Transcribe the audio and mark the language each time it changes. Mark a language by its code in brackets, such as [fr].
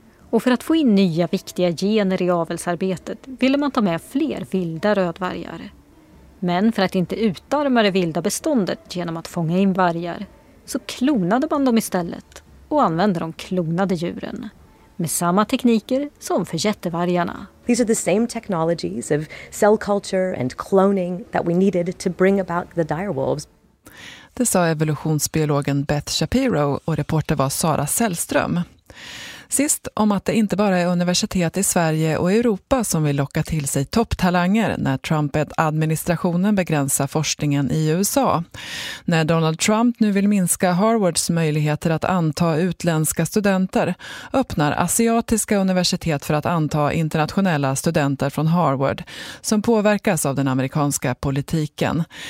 [sv] Och för att få in nya viktiga gener i avelsarbetet ville man ta med fler vilda rödvargar. Men för att inte utarma det vilda beståndet genom att fånga in vargar så klonade man dem istället och använde de klonade djuren med samma tekniker som för jättevargarna. [en] These are the same technologies of cell culture and cloning that we needed to bring about the direwolves. [sv] Det sa evolutionsbiologen Beth Shapiro och reporter var Sara Sällström. Sist om att det inte bara är universitet i Sverige och Europa som vill locka till sig topptalanger när Trump-administrationen begränsar forskningen i USA. När Donald Trump nu vill minska Harvards möjligheter att anta utländska studenter öppnar asiatiska universitet för att anta internationella studenter från Harvard som påverkas av den amerikanska politiken.